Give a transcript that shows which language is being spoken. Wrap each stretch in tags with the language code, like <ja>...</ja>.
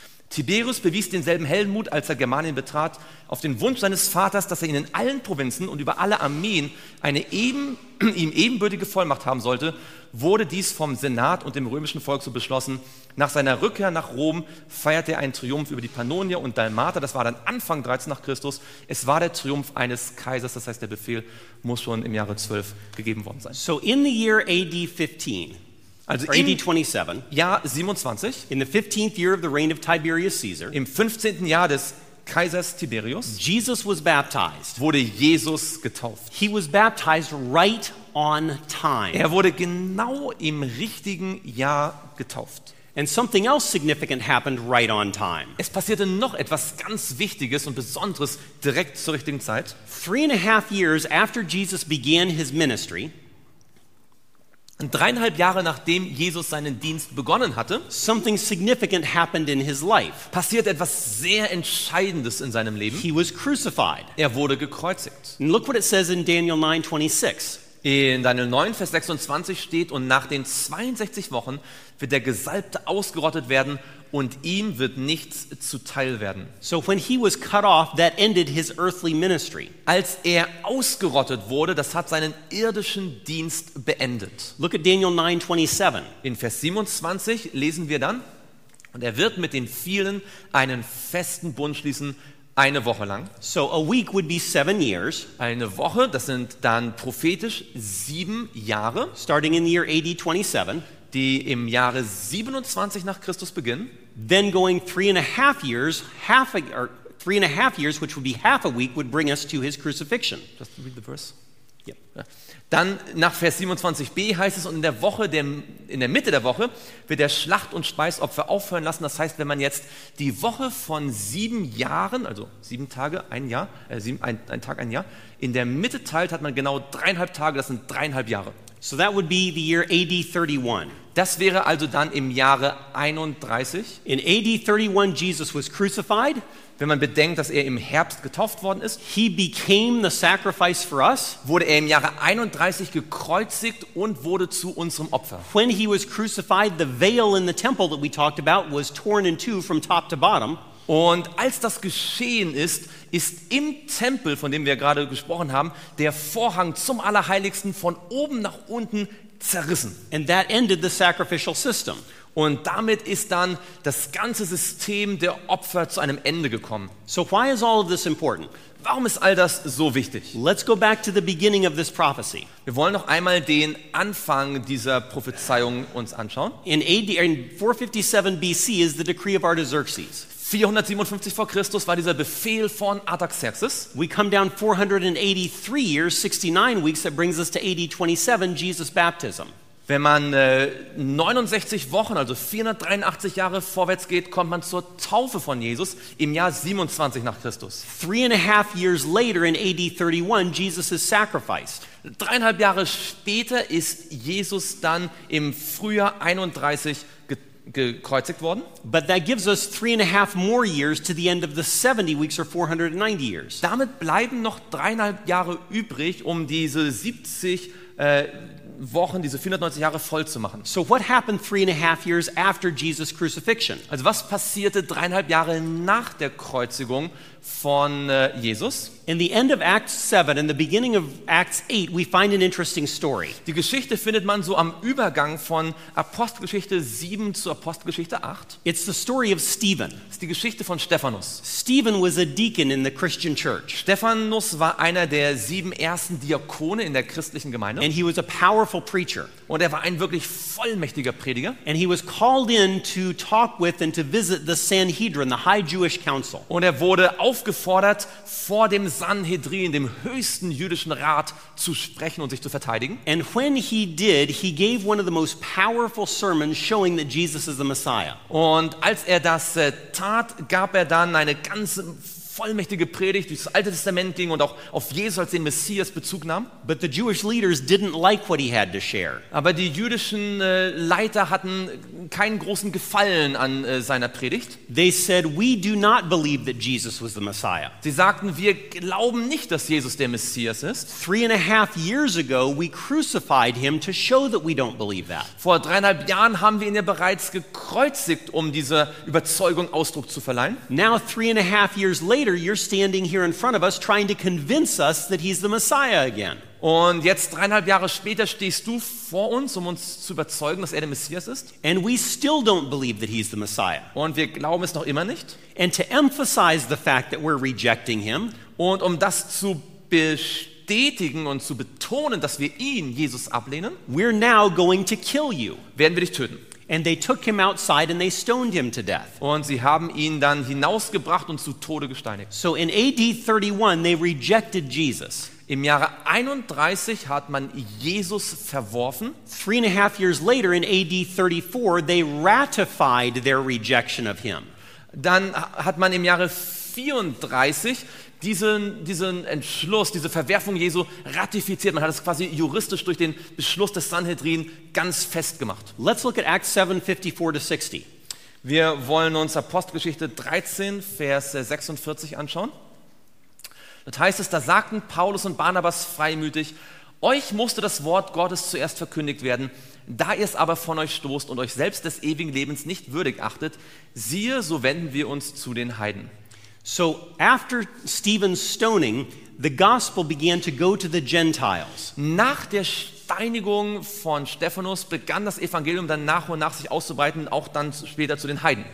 <de>Tiberius bewies denselben Heldenmut, als er Germanien betrat, auf den Wunsch seines Vaters, dass er ihn in allen Provinzen und über alle Armeen eine ihm ebenbürtige Vollmacht haben sollte, wurde dies vom Senat und dem römischen Volk so beschlossen. Nach seiner Rückkehr nach Rom feierte er einen Triumph über die Pannonier und Dalmater. Das war dann Anfang 13 nach Christus. Es war der Triumph eines Kaisers, das heißt, der Befehl muss schon im Jahre 12 gegeben worden sein.</de> <en>So in the year AD 15... Also AD 27,</en> <de>Jahr 27,</de> <en>in the 15th year of the reign of Tiberius Caesar,</en> <de>im 15. Jahr des Kaisers Tiberius,</de> <en>Jesus was baptized.</en> <de>Wurde Jesus getauft.</de> <en>He was baptized right on time.</en> <de>Er wurde genau im richtigen Jahr getauft.</de> <en>And something else significant happened right on time.</en> <de>Es passierte noch etwas ganz Wichtiges und Besonderes direkt zur richtigen Zeit.</de> <en>3.5 years after Jesus began his ministry,</en> <de>3.5 Jahre nachdem Jesus seinen Dienst begonnen hatte,</de> <en>something significant happened in his life.</en> <de>Passiert etwas sehr Entscheidendes in seinem Leben.</de> <en>He was crucified.</en> <de>Er wurde gekreuzigt.</de> <en>And look what it says in Daniel 9:26.</en> <de>In Daniel 9, Vers 26 steht, und nach den 62 Wochen wird der Gesalbte ausgerottet werden und ihm wird nichts zuteil werden.</de> <en>So when he was cut off, that ended his earthly ministry.</en> <de>Als er ausgerottet wurde, das hat seinen irdischen Dienst beendet.</de> <en>Look at Daniel 9:27.</en> <de>In Vers 27 lesen wir dann, und er wird mit den vielen einen festen Bund schließen, eine Woche lang.</de> <en>So a week would be 7 years.</en> <de>Eine Woche, das sind dann prophetisch 7 Jahre.</de> <en>Starting in the year AD 27.</en> <de>Die im Jahre 27 nach Christus beginnen.</de> <en>Then going 3.5 years, three and a half years, which would be half a week, would bring us to his crucifixion. Just read the verse. Yep.</en> <de>Dann nach Vers 27b heißt es, und in der Woche, in der Mitte der Woche, wird der Schlacht- und Speisopfer aufhören lassen. Das heißt, wenn man jetzt die Woche von 7 Jahren, also 7 Tage, ein Jahr, ein Tag, ein Jahr, in der Mitte teilt, hat man genau 3.5 Tage, das sind 3.5 Jahre.</de> <en>So that would be the year AD 31.</en> <de>Das wäre also dann im Jahre 31.</de> <en>In AD 31, Jesus was crucified.</en> <de>Wenn man bedenkt, dass er im Herbst getauft worden ist,</de> <en>he became the sacrifice for us,</en> <de>wurde er im Jahre 31 gekreuzigt und wurde zu unserem Opfer.</de> <en>When he was crucified, the veil in the temple that we talked about was torn in two from top to bottom.</en> <de>Und als das geschehen ist, ist im Tempel, von dem wir gerade gesprochen haben, der Vorhang zum Allerheiligsten von oben nach unten zerrissen.</de> <en>And that ended the sacrificial system.</en> <de>Und damit ist dann das ganze System der Opfer zu einem Ende gekommen.</de> <en>So why is all of this important?</en> <de>Warum ist all das so wichtig?</de> <en>Let's go back to the beginning of this prophecy.</en> <de>Wir wollen noch einmal den Anfang dieser Prophezeiung uns anschauen.</de> <en>In 457 BC is the decree of Artaxerxes.</en> <de>457 vor Christus war dieser Befehl von Artaxerxes.</de> <en>We come down 483 years, 69 weeks, that brings us to AD 27, Jesus' baptism.</en> <de>Wenn man 69 Wochen, also 483 Jahre vorwärts geht, kommt man zur Taufe von Jesus im Jahr 27 nach Christus.</de> <en>3.5 years later in AD 31, Jesus is sacrificed.</en> <de>3.5 Jahre später ist Jesus dann im Frühjahr 31 gekreuzigt worden.</de> <en>But that gives us 3.5 more years to the end of the 70 weeks or 490 years.</en> <de>Damit bleiben noch 3.5 Jahre übrig, um diese 70 Wochen, diese 490 Jahre voll zu machen.</de> <en>So what happened 3.5 years after Jesus' crucifixion?</en> <de>Also was passierte 3.5 Jahre nach der Kreuzigung von Jesus?</de> <en>In the end of Acts 7 and the beginning of Acts 8 we find an interesting story.</en> <de>Die Geschichte findet man so am Übergang von Apostelgeschichte 7 zu Apostelgeschichte 8.</de> <en>It's the story of Stephen.</en> <de>Es ist die Geschichte von Stephanus.</de> <en>Stephen was a deacon in the Christian church.</en> <de>Stephanus war einer der 7 ersten Diakone in der christlichen Gemeinde.</de> <en>And he was a powerful preacher.</en> <de>Und war ein wirklich vollmächtiger Prediger.</de> <en>And he was called in to talk with and to visit the Sanhedrin, the high Jewish council.</en> <de>Und wurde aufgefordert, vor dem Sanhedrin, dem höchsten jüdischen Rat, zu sprechen und sich zu verteidigen.</de> <en>And when he did, he gave one of the most powerful sermons showing that Jesus is the Messiah.</en> <de>Und als das tat, gab dann eine ganze vollmächtige Predigt, die das Alte Testament ging und auch auf Jesus als den Messias Bezug nahm.</de> <en>But the Jewish leaders didn't like what he had to share.</en> <de>Aber die jüdischen Leiter hatten keinen großen Gefallen an seiner Predigt.</de> <en>They said, we do not believe that Jesus was the Messiah.</en> <de>Sie sagten, wir glauben nicht, dass Jesus der Messias ist.</de> <en>3.5 years ago, we crucified him to show that we don't believe that.</en> <de>Vor 3.5 Jahren haben wir ihn ja bereits gekreuzigt, dieser Überzeugung Ausdruck zu verleihen.</de> <en>Now 3.5 years later, you're standing here in front of us trying to convince us that he's the Messiah again.</en> <de>Und jetzt 3.5 Jahre später stehst du vor uns, uns zu überzeugen, dass der Messias ist.</de> <en>And we still don't believe that he's the Messiah.</en> <de>Und wir glauben es noch immer nicht.</de> <en>And to emphasize the fact that we're rejecting him.</en> <de>Und das zu bestätigen und zu betonen, dass wir ihn, Jesus, ablehnen.</de> <en>We're now going to kill you.</en> <de>Werden wir dich töten.</de> <en>And they took him outside and they stoned him to death.</en> <de>Und sie haben ihn dann hinausgebracht und zu Tode gesteinigt.</de> <en>So in AD 31 they rejected Jesus.</en> <de>Im Jahre 31 hat man Jesus verworfen.</de> <en>3.5 years later in AD 34 they ratified their rejection of him.</en> <de>Dann hat man im Jahre 34 diesen Entschluss, diese Verwerfung Jesu ratifiziert. Man hat es quasi juristisch durch den Beschluss des Sanhedrin ganz festgemacht.</de> <en>Let's look at Acts 7, 54-60.</en> <de>Wir wollen uns Apostelgeschichte 13, Vers 46 anschauen. Das heißt es, da sagten Paulus und Barnabas freimütig, euch musste das Wort Gottes zuerst verkündigt werden, da ihr es aber von euch stoßt und euch selbst des ewigen Lebens nicht würdig achtet, siehe, so wenden wir uns zu den Heiden.</de> <en>So after Stephen's stoning, the gospel began to go to the Gentiles.</en> <de>Nach der Steinigung von Stephanus begann das Evangelium dann nach und nach sich auszubreiten, auch dann später zu den Heiden.</de>